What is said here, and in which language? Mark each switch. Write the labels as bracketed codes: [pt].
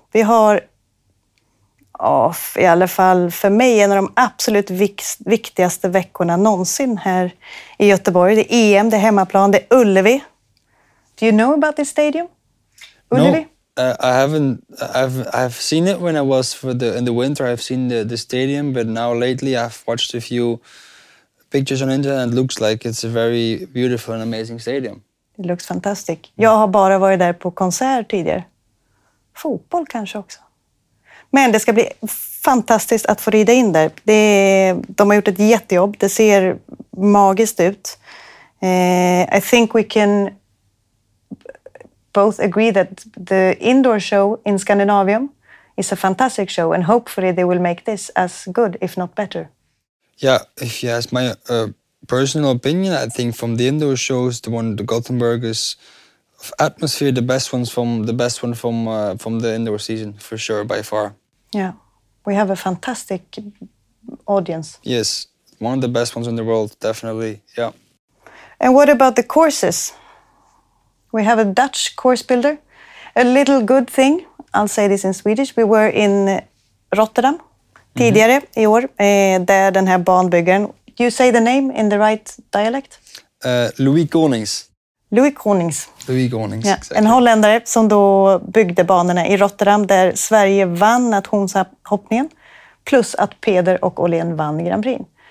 [sv] Vi har, i alla fall för mig, en av de absolut viktigaste veckorna någonsin här i Göteborg. Det är EM, det är hemmaplan, det är Ullevi. [en] Do you know about this stadium? Ullevi? No, I haven't. I've seen it when I was in the winter. I've seen the stadium, but now lately I've watched a few pictures on internet and it looks like it's a very beautiful and amazing stadium. It looks fantastic. [sv] Jag har bara varit där på konsert tidigare. Fotboll kanske också. Men det ska bli fantastiskt att få rida in där. De har gjort ett jättejobb. Det ser magiskt ut. [en] I think we can both agree that the indoor show in Scandinavium is a fantastic show, and hopefully they will make this as good, if not better. Yeah, if you ask my personal opinion, I think from the indoor shows, the one the Gothenburg is atmosphere the best one from the indoor season for sure by far. Yeah, we have a fantastic audience. Yes, one of the best ones in the world, definitely. Yeah. And what about the courses? We have a Dutch course builder. A little good thing, I'll say this in Swedish. We were in Rotterdam [sv] tidigare i år, där den här banbyggaren. [en] Do you say the name in the right dialect? Louis Konings. Louis Konings. Louis Konings, [sv] ja. [en] Exactly. [sv] En holländare som då byggde banorna i Rotterdam där Sverige vann nationshoppningen. Plus att Peder och Åhlén vann Grand Prix.